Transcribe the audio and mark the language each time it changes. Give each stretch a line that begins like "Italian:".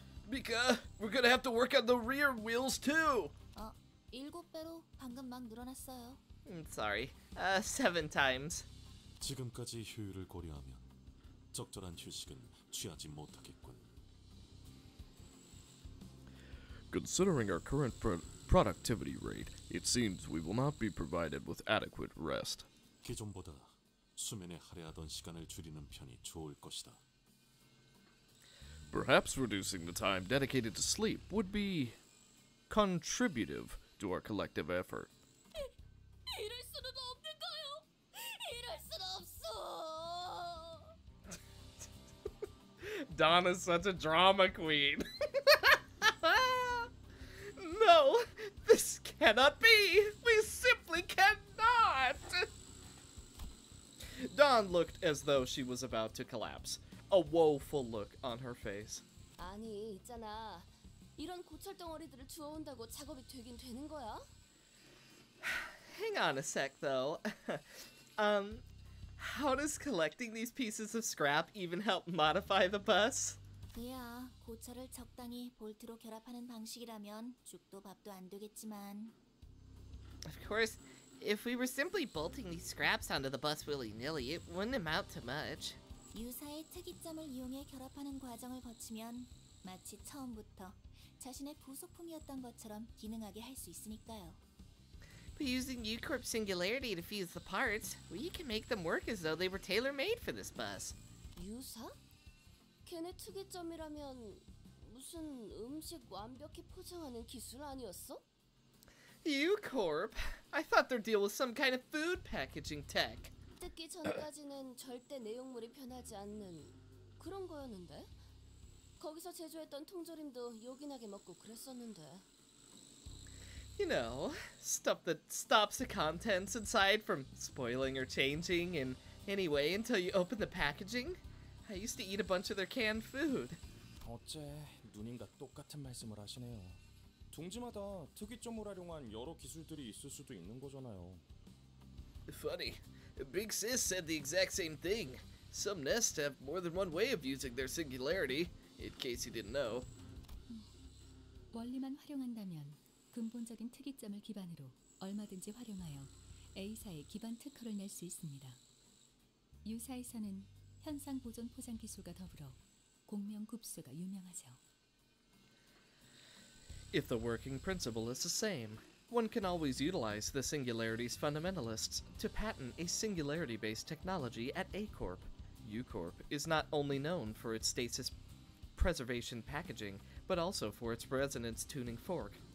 English: Mika, we're gonna have to work on the rear wheels too!
Korean: 7배로 방금 막 늘어났어요.
English: Sorry. 7 times.
Korean: 지금까지 효율을 고려하면 적절한 휴식은 취하지 못하겠군.
English: Considering our current productivity rate, it seems we will not be provided with adequate rest.
Korean: 기존보다 수면에 할애하던 시간을 줄이는 편이 좋을 것이다.
English: Perhaps reducing the time dedicated to sleep would be contributive to our collective effort.
Korean: 이럴 수는 없는가요? 이럴 수는 없어!
English: Don is such a drama queen! No, this cannot be! We simply cannot! Dawn looked as though she was about to collapse, a woeful look on her face.
Korean: 아니, 있잖아. 이런 고철 덩어리들을 주워온다고 작업이 되긴 되는 거야?
English: Hang on a sec, though. How does collecting these pieces of scrap even help modify the bus?
Korean: 그야 고철을 적당히 볼트로 결합하는 방식이라면 죽도 밥도 안 되겠지만.
English: Of course, if we were simply bolting these scraps onto the bus willy-nilly, it wouldn't amount to much.
Korean: 유사의 특이점을 이용해 결합하는 과정을 거치면 마치 처음부터 자신의 부속품이었던 것처럼 기능하게 할 수 있으니까요.
English: But using U-Corp singularity to fuse the parts, we can make them work as though they were tailor-made for this bus.
Korean: 유사? 걔네 특이점이라면 무슨 음식 완벽히 포장하는 기술 아니었어?
English: U-Corp? I thought their deal was some kind of food packaging tech.
Korean: 뜯기 전까지는 절대 내용물이 변하지 않는 그런 거였는데? 거기서 제조했던 통조림도 요긴하게 먹고 그랬었는데.
English: You know, stuff that stops the contents inside from spoiling or changing in any way until you open the packaging? I used to eat a bunch of their canned food.
Korean: 어째 누님과 똑같은 말씀을 하시네요. 둥지마다 특이점을 활용한 여러 기술들이 있을 수도 있는 거잖아요.
English: Funny. Big Sis said the exact same thing. Some nests have more than one way of using their singularity, in case you didn't know.
Korean: 원리만 활용한다면 근본적인 특이점을 기반으로 얼마든지 활용하여 A사의 기반 특허를 낼 수 있습니다. 유사에서는 현상 보존 포장 기술과 더불어 공명 굽수가 유명하죠.
English: If the working principle is the same, one can always utilize the singularity's fundamentalists to patent a singularity-based technology at A-Corp. U-Corp is not only known for its stasis preservation packaging, but also for its resonance tuning fork.